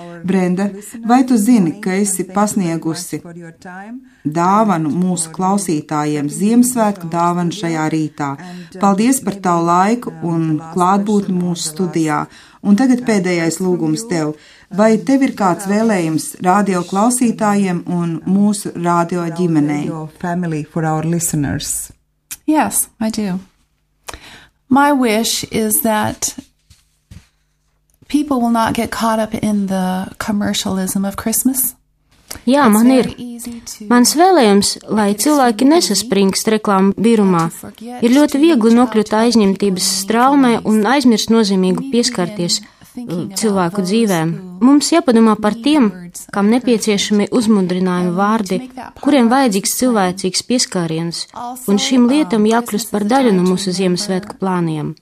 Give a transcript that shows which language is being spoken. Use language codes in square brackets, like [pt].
[lv] Brenda, vai tu zini, ka esi pasniegusi dāvanu mūsu klausītājiem Ziemassvētku dāvanu šajā rītā? Paldies par tavu laiku un klātbūtni mūsu studijā. Un tagad pēdējais lūgums tev. Vai tev ir kāds vēlējums radio klausītājiem un mūsu radio ģimenei? [en] Family for our listeners. Yes, I do. My wish is that people will not get caught up in the commercialism of Christmas. [lv] Jā, man ir. Mans vēlējums, lai cilvēki nesaspringst reklāmu birumā, ir ļoti viegli nokļūt aizņemtības straumē un aizmirst nozīmīgu pieskarties cilvēku dzīvēm. Mums jāpadomā par tiem, kam nepieciešami uzmundrinājumi vārdi, kuriem vajadzīgs cilvēcīgs pieskāriens, un šīm lietam jākļūst par daļu no mūsu Ziemassvētku plāniem.